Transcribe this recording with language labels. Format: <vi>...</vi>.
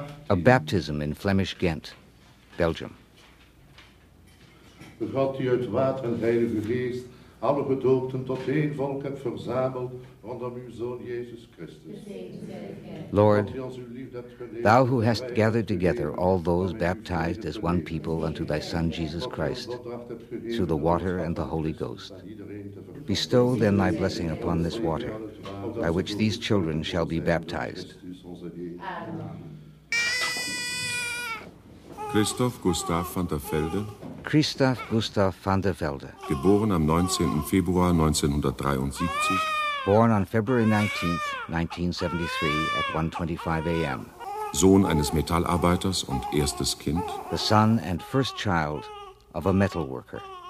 <en>A baptism in Flemish Ghent, Belgium.</en> <nl>God die uit water en Heilige Geest, alle gedoopten tot één volk hebt verzameld rondom uw Zoon Jezus Christus.</nl> <en>Lord, thou who hast gathered together all those baptized as one people unto thy Son Jesus Christ, through the water and the Holy Ghost, bestow then thy blessing upon this water, by which these children shall be baptized. Christoph Gustav van der Velde. Christoph Gustav van der Velde.</en> <de>Geboren am 19. Februar 1973.</de> <en>Born on February 19th, 1973 at 1:25 a.m.</en> <de>Sohn eines Metallarbeiters und erstes Kind.</de> <en>The son and first child of a metal worker.</en>